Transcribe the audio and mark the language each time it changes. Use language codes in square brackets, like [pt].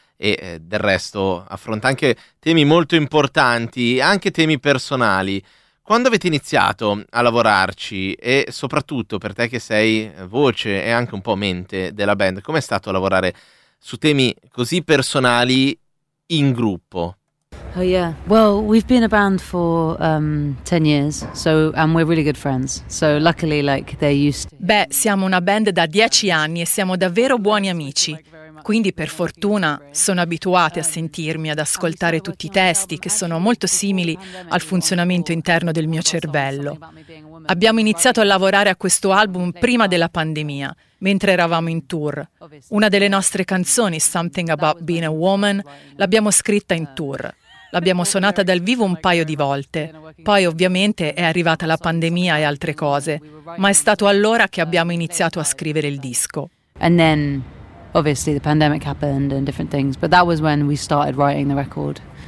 [it] E del resto affronta anche temi molto importanti, anche temi personali. Quando avete iniziato a lavorarci, e soprattutto per te che sei voce e anche un po' mente della band, com'è stato lavorare su temi così personali in gruppo? [en] Oh yeah. Well, we've been a band for 10 years, so and we're really good friends. So luckily, like they're used to. [it] Beh, siamo una band da 10 anni e siamo davvero buoni amici. Quindi, per fortuna, sono abituate a sentirmi, ad ascoltare tutti i testi, che sono molto simili al funzionamento interno del mio cervello. Abbiamo iniziato a lavorare a questo album prima della pandemia, mentre eravamo in tour. Una delle nostre canzoni, Something About Being a Woman, l'abbiamo scritta in tour. L'abbiamo suonata dal vivo un paio di volte. Poi, ovviamente, è arrivata la pandemia e altre cose. Ma è stato allora che abbiamo iniziato a scrivere il disco. [en] Obviously the pandemic happened and different things, but that was when we started writing the record.